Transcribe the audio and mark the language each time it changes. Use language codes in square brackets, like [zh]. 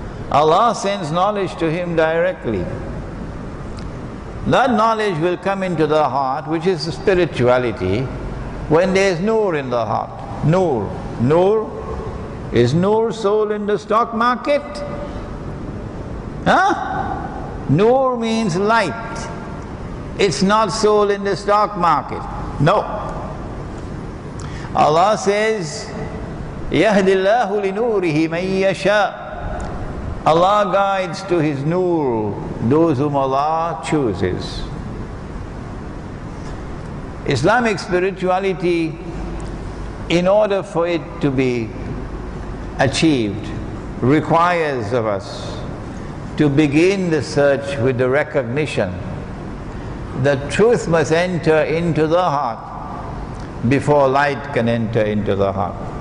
[en] Allah sends knowledge to him directly. That knowledge will come into the heart, which is spirituality, when there is nur in the heart. Nur. Nur. Is nur sold in the stock market? Huh? Nur means light. It's not sold in the stock market. No. Allah says, [ar] يَهْدِ اللَّهُ لِنُورِهِ مَنْ يَشَاءُ. [en] Allah guides to His nur those whom Allah chooses. Islamic spirituality, in order for it to be achieved, requires of us to begin the search with the recognition that truth must enter into the heart before light can enter into the heart.